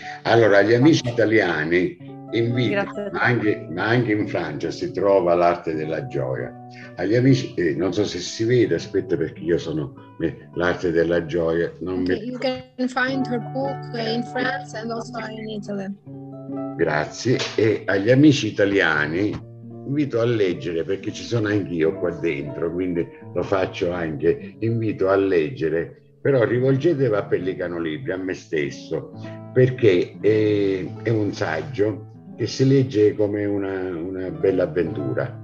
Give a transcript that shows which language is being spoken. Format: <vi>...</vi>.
<it>Allora, gli amici italiani invitano, ma anche in Francia si trova L'arte della gioia. Agli amici, non so se si vede, aspetta, perché io sono L'arte della gioia. Non</it> <en>okay, you can find her book in France and also in Italy.</en> <it>Grazie. E agli amici italiani invito a leggere, perché ci sono anch'io qua dentro, quindi lo faccio anche, invito a leggere. Però rivolgetevi a Pellicano Libri, a me stesso, perché è un saggio che si legge come una bella avventura.</it>